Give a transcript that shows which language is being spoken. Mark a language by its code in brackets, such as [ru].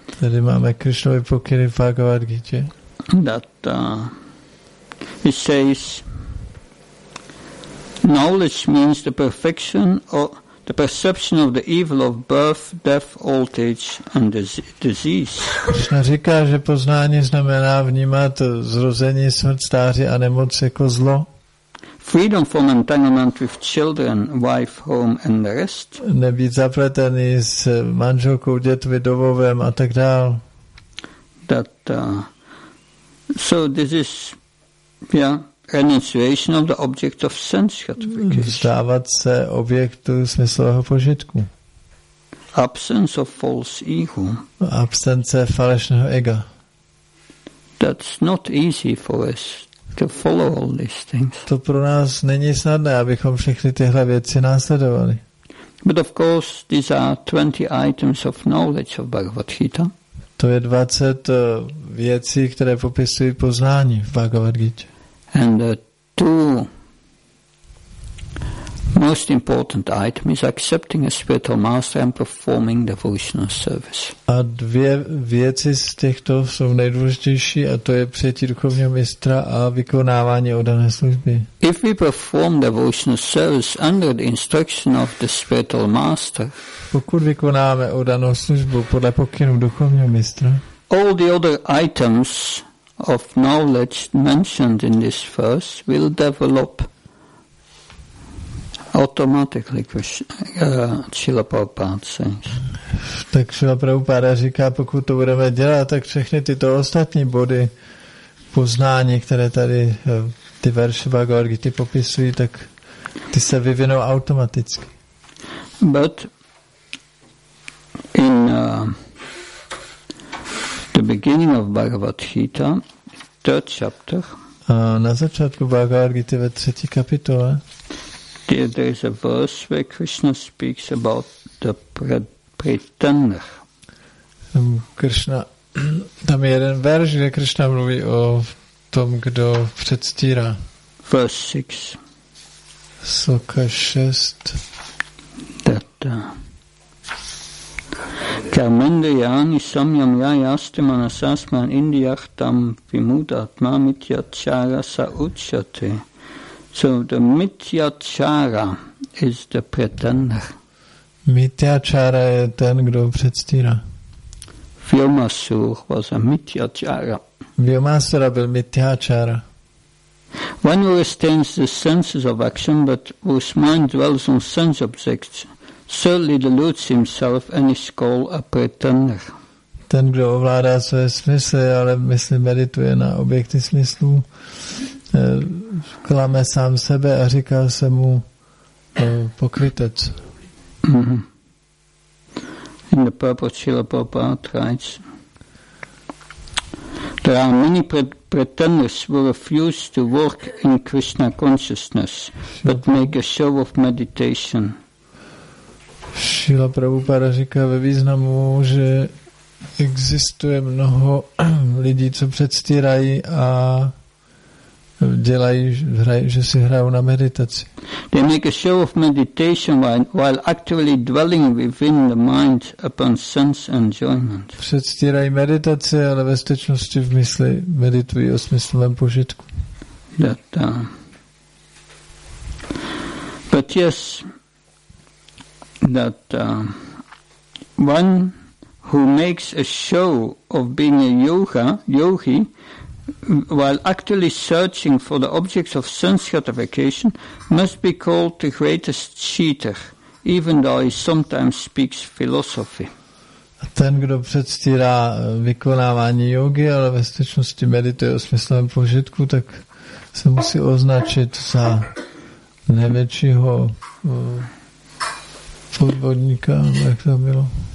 [cs] Tady máme Krishnovy pokyny v Bhagavad Gita. [en] That he says, knowledge means the perfection or the perception of the evil of birth, death, old age and disease. [cs] Krishna říká, že poznání znamená vnímat zrození, smrt, stáří a nemoc jako zlo. [en] freedom from entanglement with children, wife, home and the rest. [cs] Nebýt zapletený s manželkou, dětmi, domovem a tak dál. [en] That, so this is, yeah, renunciation of the object of sense gratification. [cs] Vzdávat se objektu smyslového požitku. [en] Absence of false ego. [cs] Absence falešného ega. [en] That's not easy for us to follow all these things. [cs] To pro nás není snadné, abychom všechny tyhle věci následovali. [en] But of course, these are 20 items of knowledge of Bhagavad Gita. [cs] To je 20 věcí, které popisují poznání v Bhagavad Gita. [en] And the two most important item is accepting a spiritual master and performing devotional service. [cs] A dvě věci z těchto jsou nejdůležitější, a to je přijetí duchovního mistra a vykonávání oddané služby. [en] If we perform devotional service under the instruction of the spiritual master, [cs] pokud vykonáme oddanou službu podle pokynů duchovního mistra, [en] all the other items of knowledge mentioned in this verse will develop automatically, Srila Prabhupada says. [cs] Tak Srila Prabhupada říká, pokud to budeme dělat, tak všechny tyto ostatní body poznání, které tady ty verše Bhagavad Gita popisují, tak ty se vyvinou automaticky. [en] But in the beginning of Bhagavad Gita, third chapter, [cs] na začátku Bhagavad Gita ve třetí kapitole, [en] there is a verse where Krishna speaks about the pretender. [cs] Krishna, tam je jeden verš, kde Krishna mluví o tom, kdo předstírá. [en] Verse 6. [cs] Sloka 6. [en] That, [sa] Karmendriyani samyam yayasti manasasman indiyah tam vimudatma mityachara sa uchyate. [en] So the mityachara is the pretender. [cs] Mityachara je ten, kdo předstírá. [en] Vyomasur was a mityachara. [cs] Vyomasura byl mityachara. [en] One who retains the senses of action, but whose mind dwells on sense objects, certainly deludes himself and is called a pretender. [cs] Ten, kdo ovládá své smysly, ale mysli medituje na objekty smyslů, klame sám sebe a říká se mu pokrytec. [en] In the purport Srila Prabhupada writes, there are many pretenders who refuse to work in Krishna consciousness, but make a show of meditation. [cs] Srila Prabhupada říká ve významu, že existuje mnoho lidí, co předstírají a dělají, že si hrajou na meditaci. [en] They make a show of meditation while actively dwelling within the mind upon sense enjoyment. [cs] Předstírají meditaci, ale ve skutečnosti v mysli meditují o smyslovém požitku. [en] That, but yes, that one who makes a show of being a yogi while actually searching for the objects of sense gratification must be called the greatest cheater, even though he sometimes speaks philosophy. [cs] A ten, kdo předstírá vykonávání jogy, ale ve skutečnosti medituje o smyslovém požitku, tak se musí označit za největšího podvodníka, jak to bylo.